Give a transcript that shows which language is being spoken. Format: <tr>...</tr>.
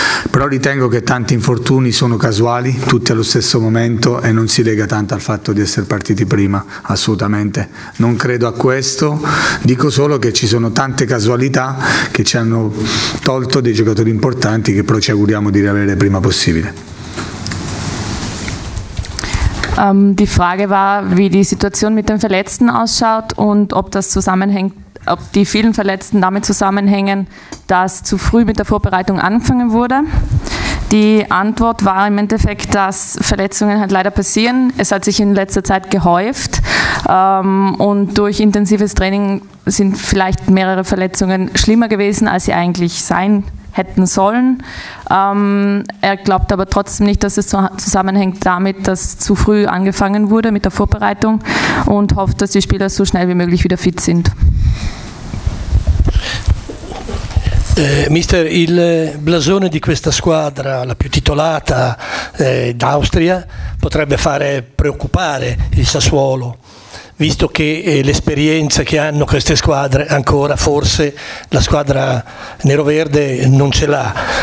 <it>Però ritengo che tanti infortuni sono casuali, tutti allo stesso momento, e non si lega tanto al fatto di essere partiti prima, assolutamente. Non credo a questo, dico solo che ci sono tante casualità che ci hanno tolto dei giocatori importanti che però ci auguriamo di riavere prima possibile.</it> <de>Die Frage war, wie die Situation mit den Verletzten ausschaut und ob das zusammenhängt, ob die vielen Verletzten damit zusammenhängen, dass zu früh mit der Vorbereitung angefangen wurde. Die Antwort war im Endeffekt, dass Verletzungen halt leider passieren. Es hat sich in letzter Zeit gehäuft und durch intensives Training sind vielleicht mehrere Verletzungen schlimmer gewesen, als sie eigentlich sein hätten sollen. Er glaubt aber trotzdem nicht, dass es zusammenhängt damit, dass zu früh angefangen wurde mit der Vorbereitung, und hofft, dass die Spieler so schnell wie möglich wieder fit sind.</de> <it>Mister, il blasone di questa squadra, la più titolata d'Austria, potrebbe fare preoccupare il Sassuolo, visto che l'esperienza che hanno queste squadre ancora forse la squadra neroverde non ce l'ha.</it>